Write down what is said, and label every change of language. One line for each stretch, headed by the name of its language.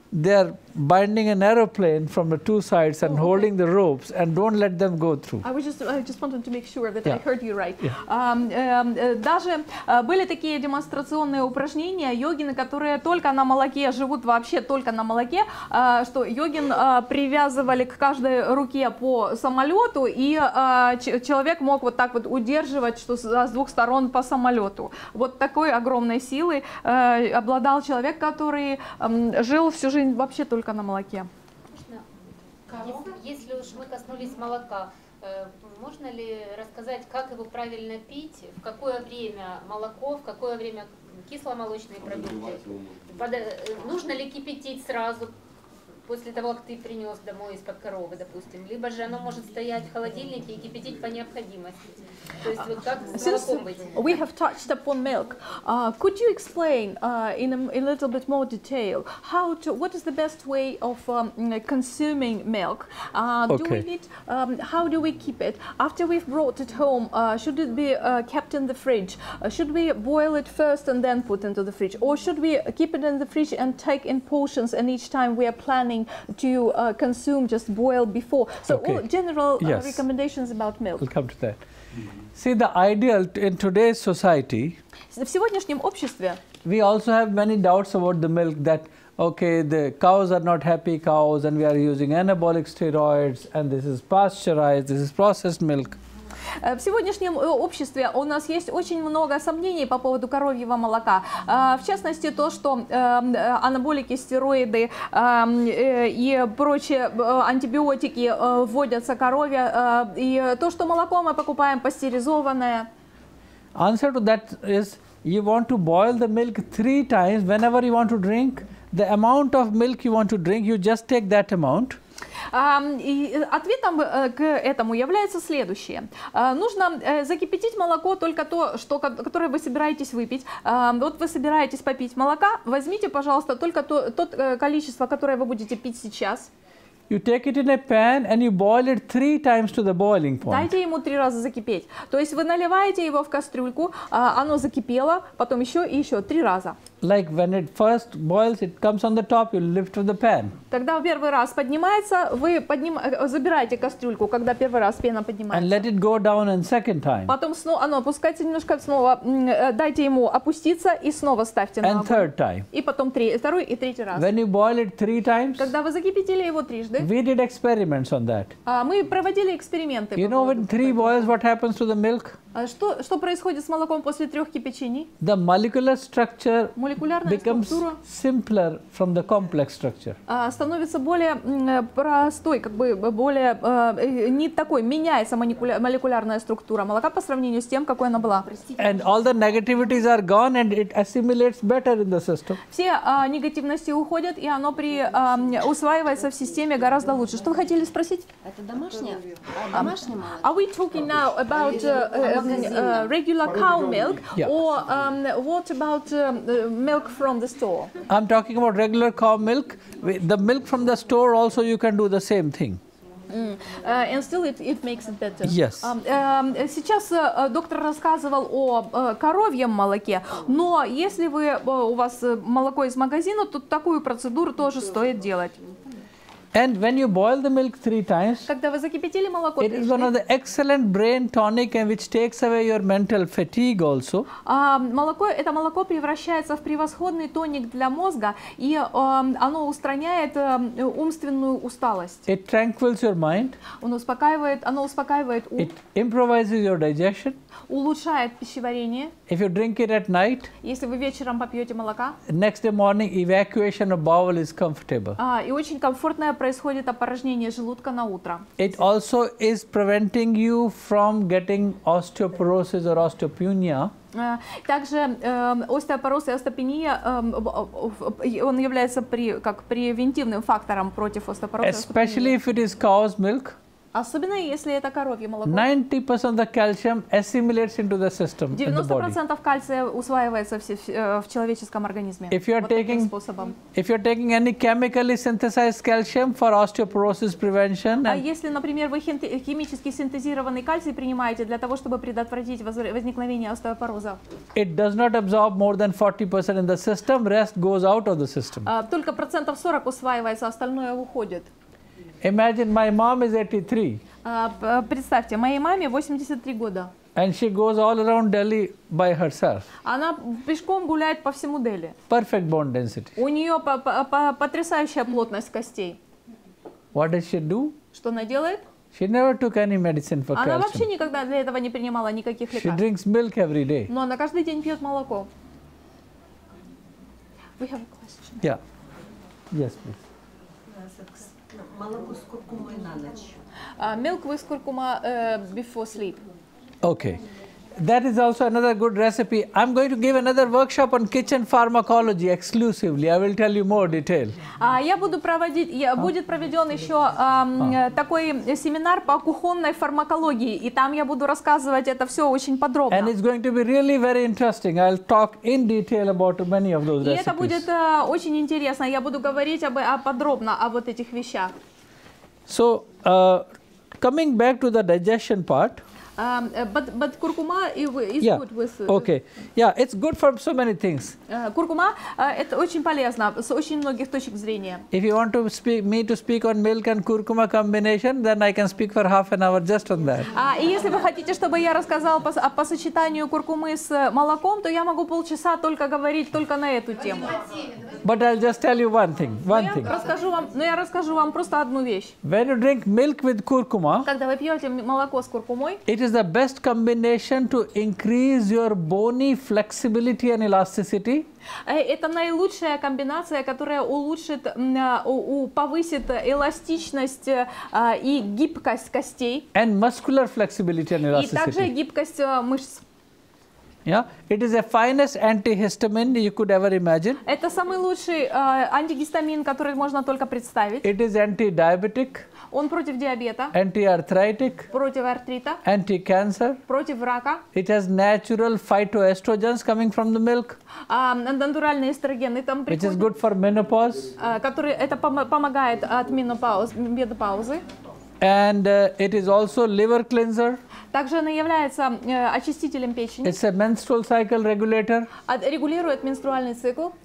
English: they are binding an aeroplane from the two sides and holding the ropes and don't let them go through. I just wanted to make sure that I heard you right. Yeah.
Russian: Даже были такие демонстрационные упражнения, йогины, которые только на молоке, живут вообще только на молоке, что йогин привязывали к каждой руке по самолету, и человек мог вот так вот удерживать, что с двух сторон по самолету. Вот такой огромной силы обладал человек, который жил всю жизнь вообще только на молоке. Если уж мы коснулись молока, можно ли рассказать, как его правильно пить, в какое время молоко, в какое время кисломолочные продукты? Нужно ли кипятить сразу после того, как ты принес домой из-под коровы, допустим? Либо же оно может стоять в холодильнике и кипятить по необходимости?
English: Since we have touched upon milk, could you explain in a little bit more detail what is the best way of consuming milk? How do we keep it after we've brought it home? Should it be kept in the fridge? Should we boil it first and then put into the fridge, or should we keep it in the fridge and take in portions? And each time we are planning to consume, just boil before. So okay. general recommendations about milk. We'll come to that. See, the ideal in today's society,
Russian: в сегодняшнем обществе,
English: we also have many doubts about the milk that, okay, the cows are not happy cows and we are using anabolic steroids and this is pasteurized, this is processed milk.
Russian: В сегодняшнем обществе у нас есть очень много сомнений по поводу коровьего молока. В частности, то, что анаболики, стероиды и прочие антибиотики вводятся корове, и то, что молоко мы покупаем пастеризованное.
English: Answer to that is, you want to boil the milk 3 times whenever you want to drink. The amount of milk you want to drink, you just take that amount.
Russian: И ответом к этому является следующее. Нужно закипятить молоко только то, что, которое вы собираетесь выпить. Вот вы собираетесь попить молока, возьмите, пожалуйста, только то количество, которое вы будете пить сейчас.
English: You take it in a pan and you boil it 3 times to the boiling point.
Russian: Дайте ему 3 раза закипеть. То есть вы наливаете его в кастрюльку, оно закипело, потом еще и еще 3 раза.
English: Like when it first boils, it comes on the top, you lift from the pan.
Russian: Тогда первый раз поднимается, вы забираете кастрюльку, когда первый раз пена поднимается.
English: And let it go down a second time.
Russian: Потом снова, оно опускается немножко, снова дайте ему опуститься и снова ставьте на огонь.
English: And third time.
Russian: И потом второй и третий раз.
English: When you boil it 3 times.
Russian: Когда вы закипятили его 3 раза.
English: We did experiments on that.
Russian: Мы проводили эксперименты.
English: You know, when 3 boils, what happens to the milk?
Russian: Что происходит с молоком после 3 кипячений?
English: The molecular structure becomes simpler from the complex structure.
Russian: Становится более простой, как бы более не такой, меняется молекулярная структура молока по сравнению с тем, какой она была.
English: And all the negativities are gone and it assimilates better in the system.
Russian: Все негативности уходят, и оно усваивается в системе гораздо лучше. Что вы хотели спросить? Это домашнее молоко.
English: Are we talking now about regular cow milk, yeah, or what about milk from the store? I'm talking about regular cow milk. The milk from the store also you can do the same thing. And still it makes it better. Yes.
Russian: Сейчас доктор рассказывал о коровьем молоке, но если вы у вас молоко из магазина, то такую процедуру тоже стоит делать.
English: And when you boil the milk 3 times,
Russian: когда вы закипятили молоко,
English: it is one of the excellent brain tonic, and which takes away your mental fatigue also.
Russian: Молоко превращается в превосходный тоник для мозга, и оно устраняет умственную усталость.
English: It tranquils your mind.
Russian: Оно успокаивает ум.
English: It improvises your digestion.
Russian: Улучшает пищеварение.
English: If you drink it at night,
Russian: если вы вечером попьете молока,
English: next day morning evacuation of bowel is comfortable.
Russian: И очень комфортное происходит опорожнение желудка на утро.
English: It also is preventing you from getting osteoporosis or osteopenia.
Russian: Также остеопороз и остеопения, он является как превентивным фактором против остеопороза.
English: Especially if it is cow's milk.
Russian: Особенно если это коровье молоко.
English: 90% of the calcium assimilates into the system.
Russian: 90% кальция усваивается в человеческом организме.
English: If you're taking any chemically synthesized calcium for osteoporosis prevention.
Russian: А если, например, вы химически синтезированный кальций принимаете для того, чтобы предотвратить возникновение остеопороза.
English: It does not absorb more than 40% in the system, rest goes out of the system.
Russian: Только 40% усваивается, остальное уходит.
English: Imagine my mom is 83.
Russian: Представьте, моей маме 83 года.
English: And she goes all around Delhi by herself.
Russian: Она пешком гуляет по всему Дели.
English: Perfect bone density.
Russian: У нее потрясающая плотность костей.
English: What does she do?
Russian: Что она делает?
English: She never took any medicine for
Russian: она
English: calcium.
Russian: Она вообще никогда для этого не принимала никаких лекарств.
English: She drinks milk every day.
Russian: Но она каждый день пьет молоко.
English: We have a question. Yeah. Yes, please.
Russian: Молоко с куркумой на ночь.
English: Milk with curcuma before sleep. Okay. That is also another good recipe. I'm going to give another workshop on kitchen pharmacology exclusively. I will tell you more detail.
Russian: Будет проведен еще такой семинар по кухонной фармакологии, и там я буду рассказывать это все очень подробно.
English: And it's going to be really very interesting. I'll talk in detail about many of those recipes.
Russian: И это будет очень интересно. Я буду говорить подробно о вот этих вещах.
English: So, coming back to the digestion part. But curcuma is good with. Okay. Yeah, it's good for so many things.
Russian: Куркума это очень полезно с очень многих точек зрения.
English: If you want to speak me to speak on milk and curcuma combination, then I can speak for half an hour just on that.
Russian: И если вы хотите, чтобы я рассказал по сочетанию куркумы с молоком, то я могу полчаса только говорить только на эту тему.
English: But I'll just tell you one thing.
Russian: Я расскажу вам просто одну вещь.
English: When you drink milk with curcuma.
Russian: Когда вы пьете молоко с куркумой.
English: It is the best combination to increase your bony flexibility and elasticity.
Russian: Это наилучшая комбинация, которая улучшит, повысит эластичность и гибкость костей.
English: And muscular flexibility and elasticity.
Russian: И также гибкость мышц.
English: Yeah, it is the finest antihistamine you could ever imagine.
Russian: Это самый лучший антигистамин, который можно только представить.
English: It is anti-diabetic.
Russian: Он против диабета.
English: Anti-arthritic.
Russian: Против артрита.
English: Anti-cancer.
Russian: Против рака.
English: It has natural phytoestrogens coming from the milk.
Russian: Натуральные эстрогены там приходят.
English: Which is good for menopause.
Russian: Который это помогает от менопаузы.
English: And it is also liver cleanser.
Russian: Также она является очистителем печени.
English: It's a menstrual cycle regulator.
Russian: Регулирует менструальный цикл.